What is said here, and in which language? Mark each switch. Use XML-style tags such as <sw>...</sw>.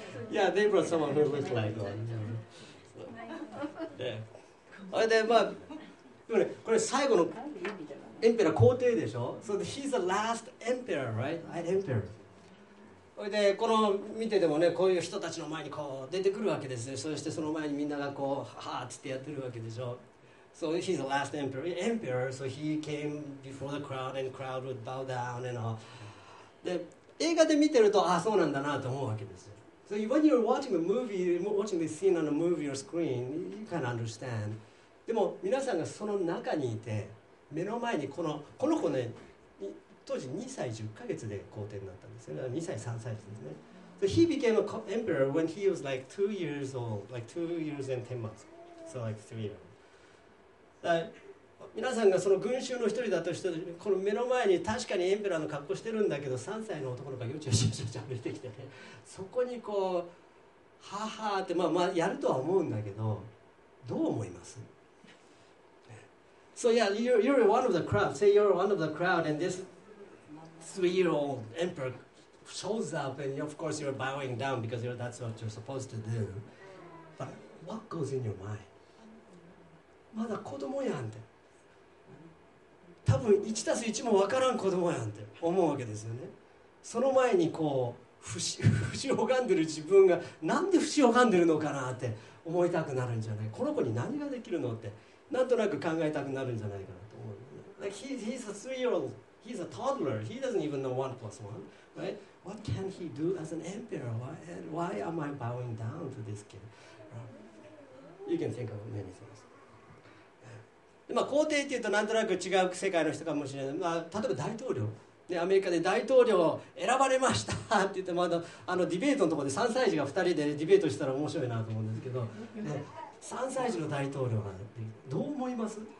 <en>Yeah, they brought someone who looked like one. Yeah.</en> <ja>で、まあ、でもね、これ最後のエンペラー皇帝でしょ。</ja> <en>So he's the last emperor, right? Right, emperor.</en> <ja>それでこの見ててもね、こういう人たちの前にこう出てくるわけですね。そしてその前にみんながこうハーってやってるわけでしょ。</ja> <en>So he's the last emperor. Emperor. So he came before the crowd and crowd would bow down and all.</en> <ja>で映画で見てると、ああそうなんだなと思うわけですよ。</ja> <en>So when you're watching a movie, watching this scene on a movie or screen, you can understand.</en> <ja>でも皆さんがその中にいて、目の前にこの子ね、当時2歳10ヶ月で皇帝になったんですよ。 2歳3歳ですね。</ja> <en>So he became an emperor when he was like 2 years old, like 2 years and 10 months. So like 3 years old.</en> <ja>皆さんがその群衆の一人だとして、この目の前に確かにエンペラーの格好してるんだけど、3歳の男の子がよちよちよちよち歩いてきて、ね、そこにこう、はーはーって、まあまあやるとは思うんだけど、どう思います？</ja> <en>So yeah, you're one of the crowd. Say you're one of the crowd and this three-year-old emperor shows up and of course you're bowing down because that's what you're supposed to do. But what goes in your mind?</en> <ja>まだ子供やんって。多分1たす1も分からん子供やんって思うわけですよね。その前にこう節を拝んでる自分がなんで節を拝んでるのかなって思いたくなるんじゃない。この子に何ができるのってなんとなく考えたくなるんじゃないかなと思う。</ja> <en>Like he's a three-year-old, he's a toddler, he doesn't even know one plus one, right? What can he do as an emperor? Why am I bowing down to this kid? You can think of many things.</en> <ja>まあ、皇帝っていうとなんとなく違う世界の人かもしれない、まあ、例えば大統領、ね、アメリカで大統領を選ばれましたって言って、まあ、あのディベートのところで3歳児が2人でディベートしたら面白いなと思うんですけど、3歳児の大統領はどう思います？</ja>